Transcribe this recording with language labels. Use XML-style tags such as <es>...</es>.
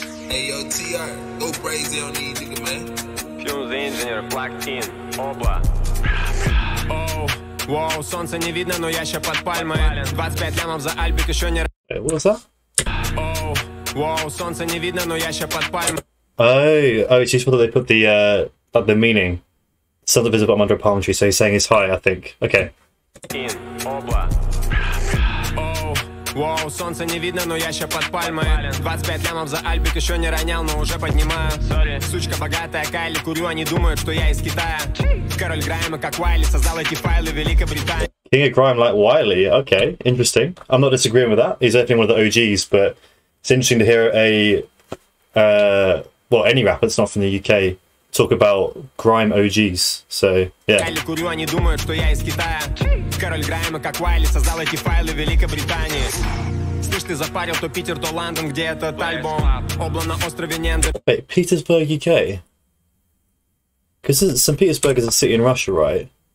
<en>Hey yo, TR, go crazy on these nigga, man. Fumez The Engineer, Black Team, Obla.</en> <ru>Oh, wow, солнце не видно, но я ща под пальмой. 25 лямов за альбик, еще не...</ru> <en>Hey, what's that?</en> <ru>Oh, wow, солнце не видно, но я ща под пальмой.</ru> <en>Oh, it's useful that they put the meaning. Something visible, I'm under a palm tree, so he's saying it's high, I think. Okay.</en> <ru>Oh, wow, солнце не видно, но я ща под пальмой. 25 лямов за альбик еще не ронял, но уже поднимаю.</ru> <en>Sorry.</en> <ru>Сучка богатая, Кайли курю, они думают, что я из Китая. Король Грайма, как Вайли, создал эти файлы Великобритании.</ru> <en>King of Grime like Wiley, okay, interesting. I'm not disagreeing with that. He's definitely one of the OGs, but it's interesting to hear any rapper that's not from the UK talk about grime OGs. So yeah.</en> <ru>Король Грайма, как Вайли, создал эти файлы Великобритании. Слышь, ты запарил то Питер, то Лондон, где этот альбом? Обла на острове Ненде.</ru> <en>Wait, Petersburg, UK? Because St. Petersburg is a city in Russia, right?</en>